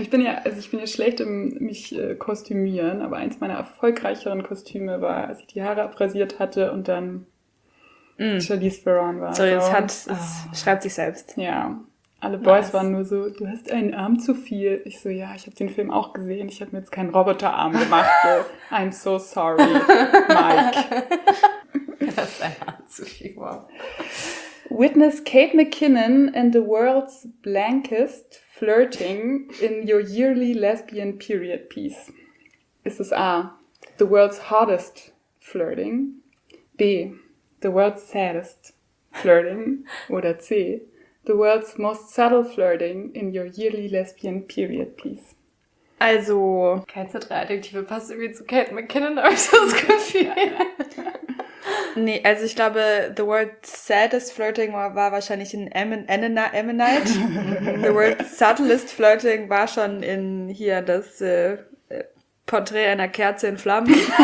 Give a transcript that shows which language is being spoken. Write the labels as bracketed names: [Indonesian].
[German] Ich bin ja schlecht im mich kostümieren, aber eins meiner erfolgreicheren Kostüme war, als ich die Haare abrasiert hatte und dann Charlize Theron war. So, jetzt hat es, schreibt sich selbst. Ja. Alle Boys waren nur so, du hast einen Arm zu viel. Ich so, ja, ich habe den Film auch gesehen. Ich habe mir jetzt keinen Roboterarm gemacht. [English] So, I'm so sorry, Mike. [German] Du hast einen Arm zu viel. Wow. [English] Witness Kate McKinnon and the world's blankest flirting in your yearly lesbian period piece. [German] Ist es A, [English] the world's hottest flirting? B, the world's saddest flirting? [German] Oder C, [English] the world's most subtle flirting in your yearly lesbian period piece. [German] Also, keins der drei Adjektive passt irgendwie zu Kate McKinnon, aber ich habe das Gefühl. Nee, also ich glaube, [English] the world's saddest flirting [German] war wahrscheinlich in Ammonite. [English] The world's subtlest flirting [German] war schon in hier das Porträt einer Kerze in Flammen.